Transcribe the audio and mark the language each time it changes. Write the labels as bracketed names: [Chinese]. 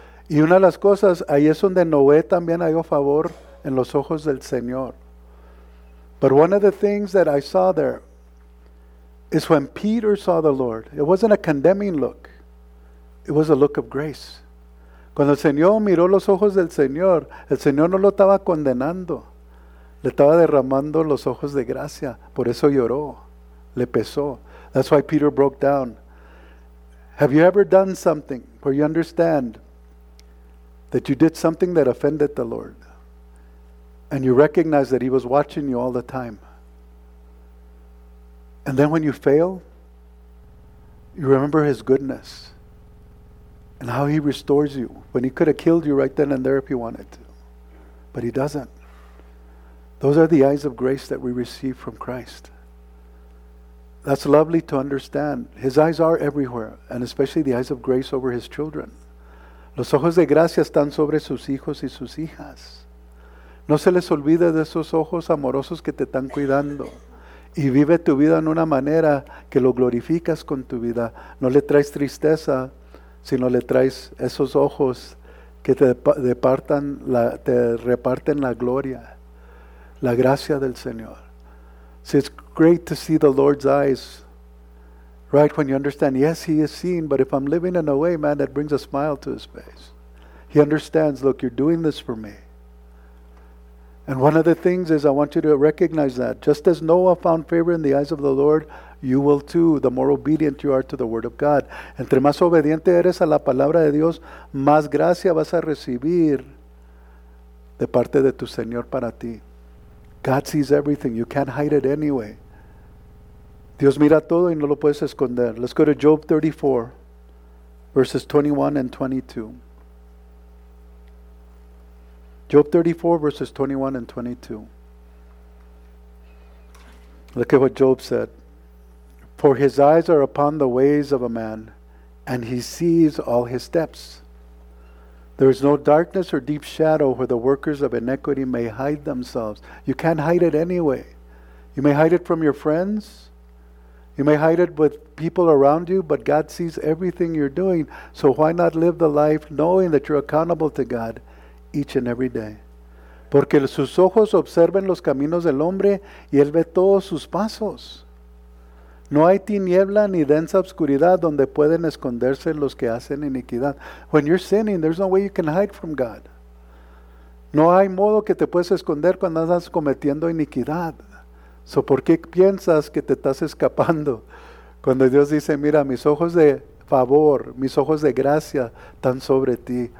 [Spanish] Y una de las cosas, ahí es donde Noé también halló favor en los ojos del Señor. [English] But one of the things that I saw there is when Peter saw the Lord, it wasn't a condemning look. It was a look of grace. [Spanish] Cuando el Señor miró los ojos del Señor, el Señor no lo estaba condenando. Le estaba derramando los ojos de gracia. Por eso lloró. Le pesó. [English] That's why Peter broke down. Have you ever done something where you understand that you did something that offended the Lord? And you recognize that He was watching you all the time. And then when you fail, you remember His goodness. And how He restores you when He could have killed you right then and there if He wanted to. But He doesn't. Those are the eyes of grace that we receive from Christ. That's lovely to understand. His eyes are everywhere, and especially the eyes of grace over His children. [Spanish] Los ojos de gracia están sobre sus hijos y sus hijas. No se les olvide de esos ojos amorosos que te están cuidando. Y vive tu vida en una manera que lo glorificas con tu vida. No le traes tristeza, sino le traes esos ojos que te reparten la gloria, la gracia del Señor. [English] So it's great to see the Lord's eyes, right, when you understand, yes, He is seen, but if I'm living in a way, man, that brings a smile to His face. He understands, look, you're doing this for me. And one of the things is I want you to recognize that just as Noah found favor in the eyes of the Lord, you will too, the more obedient you are to the word of God. [Spanish] Entre más obediente eres a la palabra de Dios, más gracia vas a recibir de parte de tu Señor para ti. [English] God sees everything. You can't hide it anyway. [Spanish] Dios mira todo y no lo puedes esconder. [English] Let's go to Job 34, verses 21 and 22. Job 34, verses 21 and 22. Look at what Job said. For His eyes are upon the ways of a man, and He sees all his steps. There is no darkness or deep shadow where the workers of iniquity may hide themselves. You can't hide it anyway. You may hide it from your friends. You may hide it with people around you, but God sees everything you're doing. So why not live the life knowing that you're accountable to God each and every day? [Spanish] Porque sus ojos observan los caminos del hombre y él ve todos sus pasos. No hay tiniebla ni densa oscuridad donde pueden esconderse los que hacen iniquidad. [English] When you're sinning, there's no way you can hide from God. [Spanish] No hay modo que te puedes esconder cuando andas cometiendo iniquidad. So, ¿por qué piensas que te estás escapando? Cuando Dios dice, mira, mis ojos de favor, mis ojos de gracia están sobre ti.